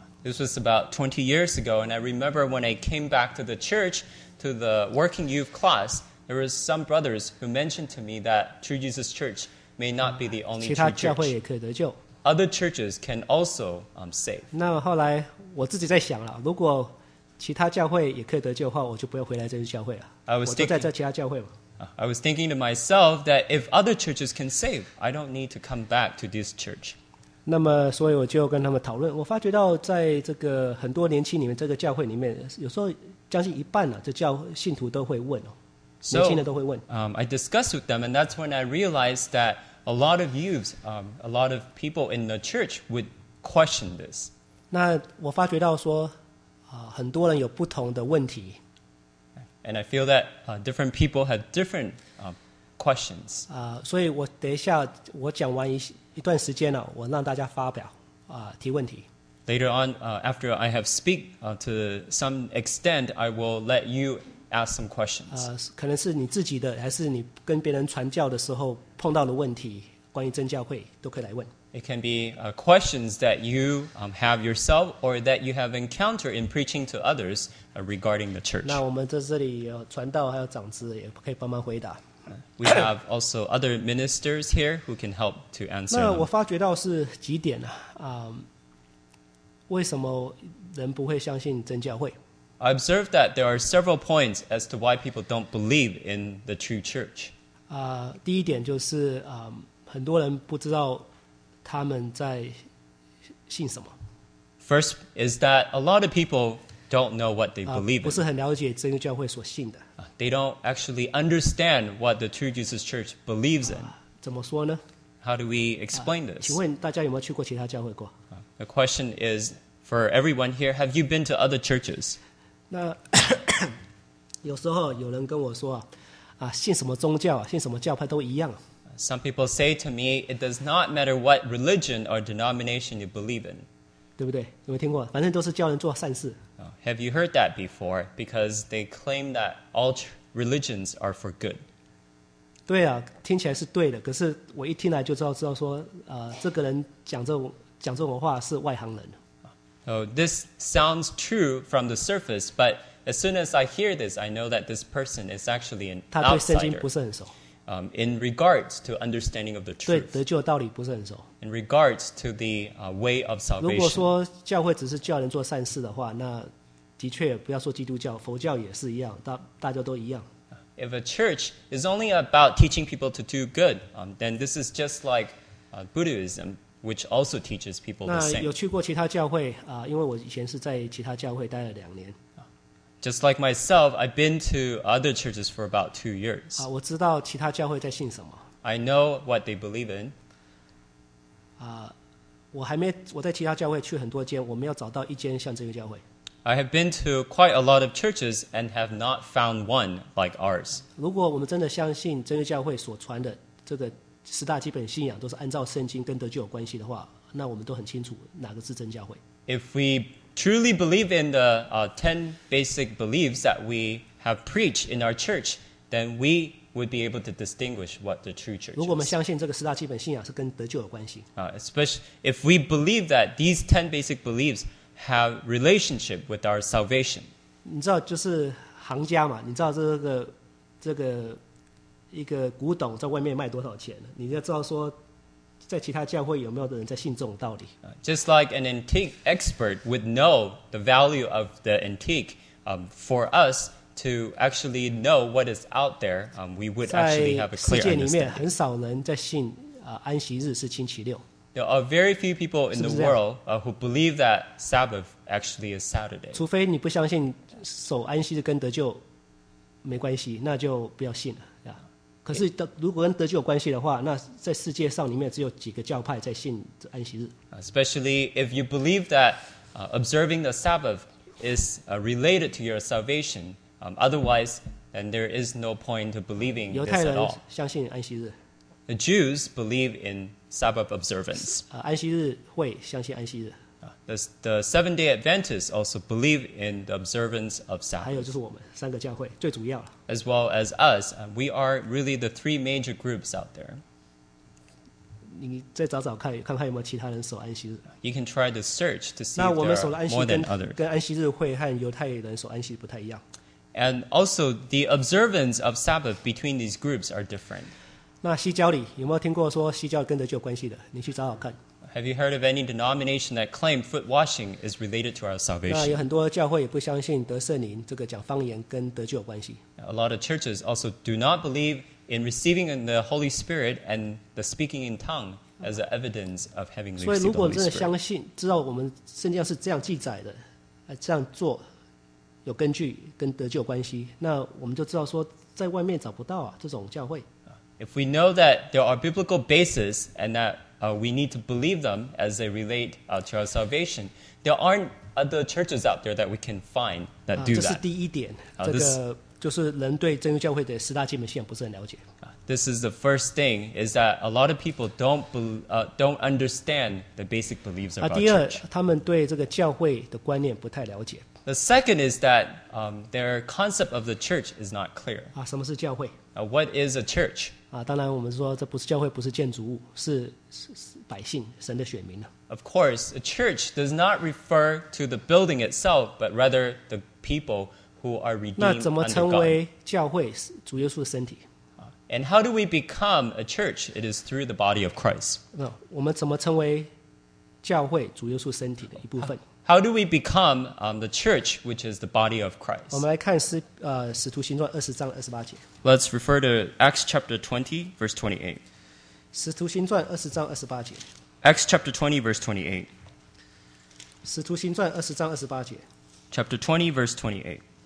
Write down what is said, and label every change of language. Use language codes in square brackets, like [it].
[en] This was about 20 years ago, and I remember when I came back to the church, to the working youth class, there were some brothers who mentioned to me that True Jesus Church may not be the only true church. [zh] 其他教会也可以得救。 [en] Other churches can also save. [zh] 那后来我自己在想了，如果其他教会也可以得救的话，我就不要回来这个教会了。我都在这其他教会嘛。 [en] I was thinking to myself that if other churches can save, I don't need to come back to this church. [zh] 那么，所以我就跟他们讨论。我发觉到，在这个很多年轻里面，这个教会里面，有时候将近一半了，这教信徒都会问哦，年轻的都会问。 [en] I discussed with them, and that's when I realized that a lot of youths, a lot of people in the church would question this. [zh] 那我发觉到说，很多人有不同的问题。 [en] And I feel that different people have different questions. [zh] 所以我等一下我讲完一段时间了，我让大家发表提问题。 [en] Later on, after I have speak to some extent, I will let you ask some questions. [zh] 可能是你自己的，还是你跟别人传教的时候碰到的问题，关于真教会都可以来问。 [en] It can be questions that you have yourself or that you have encountered in preaching to others regarding the church. [zh] 那我们在这里有传道还有长子也可以帮忙回答。 [en] We have also other ministers here who can help to answer. [zh] 那我发觉到是几点呢？为什么人不会相信真教会 [en] ？I observed that there are several points as to why people don't believe in the true church. [zh] 第一点就是很多人不知道他们在信什么。 [en] First is that a lot of people don't know what they believe. [zh] 不是很了解真教会所信的。 [en] They don't actually understand what the True Jesus Church believes in. [zh] 怎么说呢? [en] How do we explain this? [zh] 请问大家有没有去过其他教会过? [en] The question is for everyone here, have you been to other churches? [zh] 那有时候有人跟我说信什么宗教信什么教派都一样。 [en] Some people say to me, it does not matter what religion or denomination you believe in. [zh] 对不对?有没有听过?反正都是教人做善事。 [en] Have you heard that before? Because they claim that all religions are for good. [zh] 对啊，听起来是对的。可是我一听来就知道说，这个人讲这种话是外行人。 [en] So this sounds true from the surface, but as soon as I hear this, I know that this person is actually an outsider. [zh] 他对圣经不是很熟。 [en] In regards to understanding of the truth. [zh] 对得救的道理不是很熟。 [en] In regards to the way of salvation. [zh] 如果说教会只是叫人做善事的话，那的确，不要说基督教，佛教也是一样，大家都一样。 [en] If a church is only about teaching people to do good, then this is just like Buddhism, which also teaches people the same. [zh] 那有去过其他教会因为我以前是在其他教会待了两年。 [en] Just like myself, I've been to other churches for about 2 years. [zh] 我知道其他教会在信什么。 [en] I know what they believe in. [zh] 我在其他教会去很多间，我没有找到一间像这个教会。 [en] I have been to quite a lot of churches and have not found one like ours. [zh] 如果我们真的相信真耶稣教会所传的这个十大基本信仰都是按照圣经跟得救有关系的话，那我们都很清楚哪个是真教会。 [en] If we truly believe in the 10 basic beliefs that we have preached in our church, then we would be able to distinguish what the true church is. [zh] 如果我们相信这个十大基本信仰是跟得救有关系。 [en] Especially if we believe that these 10 basic beliefs have relationship with our salvation. [zh] 你知道就是行家嘛，你知道这个一个古董在外面卖多少钱，你要知道说在其他教会有没有的人在信这种道理。 [en] Just like an antique expert would know the value of the antique, for us to actually know what is out there, we would actually have a clear understanding. [zh] 在世界里面很少人在信安息日是星期六。 [en] There are very few people in the world, who believe that Sabbath actually is Saturday. [zh] 除非你不相信守安息日跟得救没关系，那就不要信了。可是如果跟得救有关系的话，那在世界上里面只有几个教派在信安息日。 [en] Especially if you believe that observing the Sabbath is related to your salvation, otherwise, then there is no point to believing this at all. [zh] 相信安息日。 [en] The Jews believe in Sabbath observance. [zh] 安息日会相信安息日。 [en] The Seventh-day Adventists also believe in the observance of Sabbath. [zh] 还有就是我们三个教会最主要了。 [en] As well as us, we are really the three major groups out there. [zh] 你再找找看，看看有没有其他人守安息日。 [en] You can try to search to see if there are more than others. [zh] 跟安息日会和犹太人守安息日不太一样。 [en] And also, the observance of Sabbath between these groups are different. [zh] 那西教里有没有听过说西教跟得救有关系的？你去找找看。 [en] Have you heard of any denomination that claim foot washing is related to our salvation? [zh] 有很多教会也不相信得圣灵这个讲方言跟得救有关系。 [en] A lot of churches also do not believe in receiving the Holy Spirit and the speaking in tongue as evidence of having received the Holy Spirit. [zh] 所以如果真的相信，知道我们圣经是这样记载的，这样做有根据跟得救有关系，那我们就知道说在外面找不到这种教会。 [en] If we know that there are biblical bases and that we need to believe them as they relate to our salvation. There aren't other churches out there that we can find that do that. [zh] 这是第一点。这就是人对真耶教会的十大基本信仰不是很了解。 [en] This is the first thing, is that a lot of people don't understand the basic beliefs about church. [zh] 第二，他们对这个教会的观念不太了解。 [en] The second is that their concept of the church is not clear. [zh] 什么是教会？ [en] What is a church? [zh] 当然我们说这不是教会，不是建筑物，是百姓，神的选民了。 [en] Of course, a church does not refer to the building itself, but rather the people who are redeemed under God. [zh] 那怎么成为教会？主耶稣的身体。 [en] And how do we become a church? It is through the body of Christ. [zh] 那我们怎么成为教会？主耶稣身体的一部分。 [en] How do we become the church, which is the body of Christ? [zh] 我们来看使徒行传二十章二十八节。 [en] Let's refer to Acts chapter 20, verse 28. [zh] 使徒行传二十章二十八节。 [en] Acts chapter 20, verse 28. [zh] 使徒行传二十章二十八节。 [en] Chapter 20, verse 28.